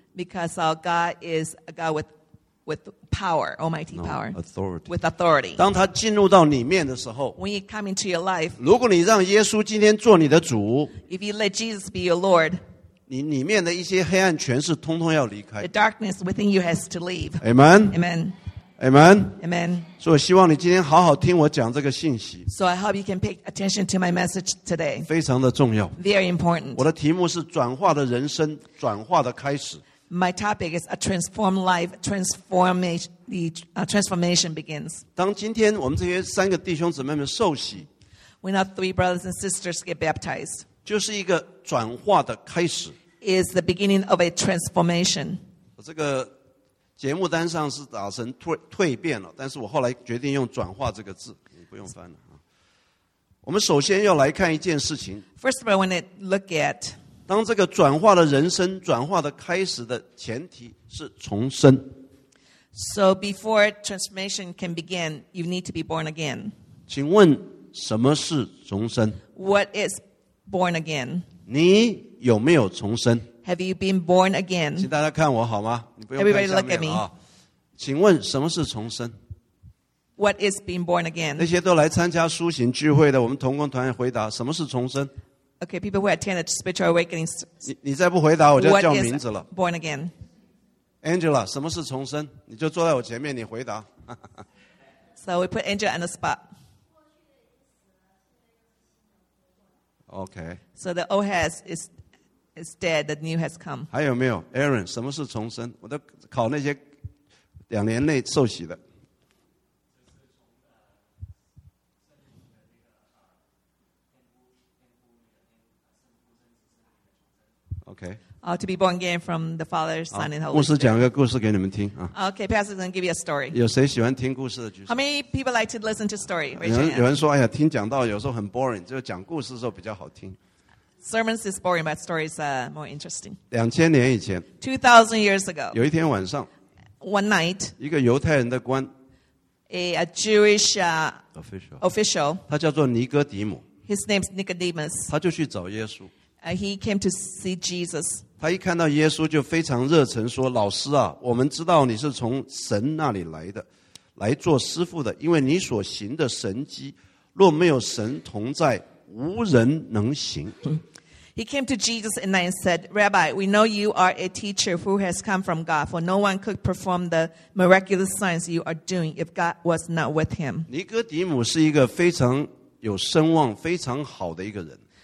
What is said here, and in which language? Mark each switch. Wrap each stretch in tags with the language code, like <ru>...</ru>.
<en>Because our God is a God with power, almighty power. No, authority. With authority.</en> <zh>当他进入到里面的时候。</zh> <en>When you come into your life.</en> <zh>如果你让耶稣今天做你的主。</zh> <en>If you let Jesus be your Lord.</en> <zh>你里面的一些黑暗权势通通要离开。</zh> <en>The darkness within you has to leave. Amen. Amen. Amen. Amen.</en> <zh>所以我希望你今天好好听我讲这个信息。</zh> <en>So I hope you can pay attention to my message today.</en> <zh>非常的重要。</zh> <en>Very important.</en> <zh>我的题目是转化的人生，转化的开始。</zh> <en>My topic is a transformed life, transformation begins.</en> <zh>当今天我们这些三个弟兄姊妹们受洗。</zh> <en>When our three brothers and sisters get baptized.</en> <zh>就是一个转化的开始。</zh> <en>Is the beginning of a transformation.</en> <zh>这个节目单上是打成蜕变了，但是我后来决定用转化这个字，你不用翻了。我们首先要来看一件事情。</zh> <en>First of all, when I look at,</en> <zh>当这个转化的人生、转化的开始的前提是重生。</zh> <en>So before transformation can begin, you need to be born again.</en> <zh>请问什么是重生</zh> <en>？What is Born again.</en> <zh>你有没有重生</zh> <en>？Have you been born again?</en> <zh>请大家看我好吗？你不用看下</zh> <en>面。Everybody look at me.</en> <zh>请问什么是重生</zh> <en>？What is being born again?</en> <zh>那些都来参加苏醒聚会的，我们同工团回答什么是重生</zh> <en>？Okay, people who attend the spiritual awakening.</en> <zh>你再不回答，我就叫名字了。</zh> <en>Born again.</en> <zh>Angela, 什么是重生？你就坐在我前面，你回答。</zh> <en>So we put Angela on the spot. Okay. So the old has is dead. The new has come.</en> <zh>还有没有 ，Aaron？ 什么是重生？我都考那些两年内受洗的。</zh> <en>Okay. To be born again from the Father, Son, and Holy Spirit.</en> <zh>牧师讲个故事给你们听啊。</zh> <en>Okay, Pastor, then give you a story.</en> <zh>有谁喜欢听故事的？</zh> <en>How many people like to listen to story?</en> <zh>有人说，哎呀，听讲道有时候很</zh> <en>boring，</en> <zh>就讲故事的时候比较好听。</zh> <en>Sermons is boring, but stories are more interesting.</en> <zh>2000年以前。</zh> <en>2000 years ago.</en> <zh>有一天晚上。</zh> <en>One night.</en> <zh>一个犹太人的官。</zh> <en>A Jewish</en> <zh>official. 他叫做尼哥底母。</zh> <en>His name's Nicodemus.</en> <zh>他就去找耶稣。</zh> <en>He came to see Jesus.</en> <zh>他一看到耶稣就非常热忱说，老师啊，我们知道你是从神那里来的，来做师父的，因为你所行的神迹若没有神同在，无人能行。</zh> <en>He came to Jesus and then said, Rabbi, we know you are a teacher who has come from God, for no one could perform the miraculous signs you are doing if God was not with him.</en> <zh>尼哥底母是一个非常有声望非常好的一个人。</zh>